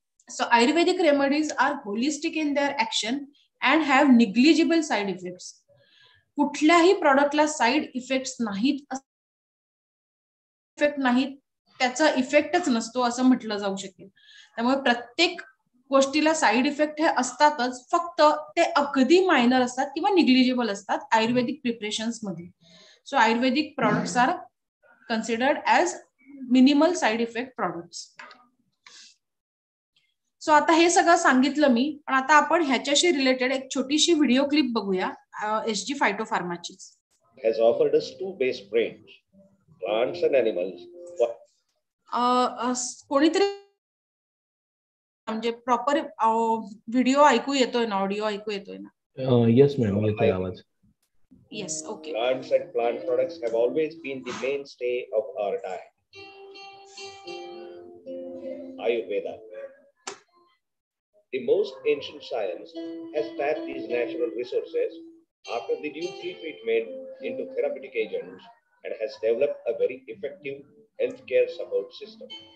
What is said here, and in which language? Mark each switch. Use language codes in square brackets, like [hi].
[en] so Ayurvedic remedies are holistic in their action and have negligible side effects [mr] कुठल्याही प्रॉडक्टला side effects नाहीत effect नाहीत त्याचा इफेक्टच नसतो असं म्हटलं जाऊ शकेल त्यामुळे प्रत्येक गोष्टीला साईड इफेक्ट हे असतातच फक्त ते अगदी मायनर असतात किंवा निग्लिजिबल असतात आयुर्वेदिक प्रिपरेशन्स मध्ये [en] So Ayurvedic products are considered as minimal side effect products. [mr] So आता हे सगळं सांगितलं मी, पण आता आपण ह्याच्याशी रिलेटेड एक छोटीशी व्हिडिओ क्लिप बघूया SG फायटोफार्माची. [en] Has offered us two base brands, plants and animals. [mr] कोणीतरी म्हणजे प्रॉपर व्हिडिओ ऐकू येतोय ना, ऑडिओ ऐकू येतोय ना? [en] yes ma'am, [mr] येतोय आवाज. [en] Yes, okay. Plants and plant products have always been the mainstay of our diet. Ayurveda. The most ancient science has tapped these natural resources after the due treatment into therapeutic agents and has developed a very effective healthcare support system.